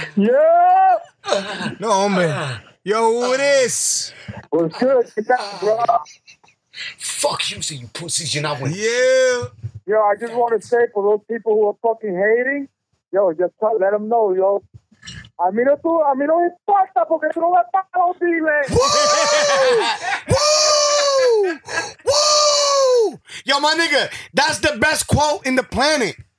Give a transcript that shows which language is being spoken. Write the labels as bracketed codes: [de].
[en] Yo. [es] No, hombre. [en] Yo, who it is? Well, good. Get that, bro. Fuck you, so you pussies. You're not with yeah. Yo, I just want to say for those people who are fucking hating, yo, just let them know, yo. [es] A mí no importa porque tú no me pagas los biles. Woo! Woo! Woo! [en] Yo, my nigga, that's the best quote in the planet.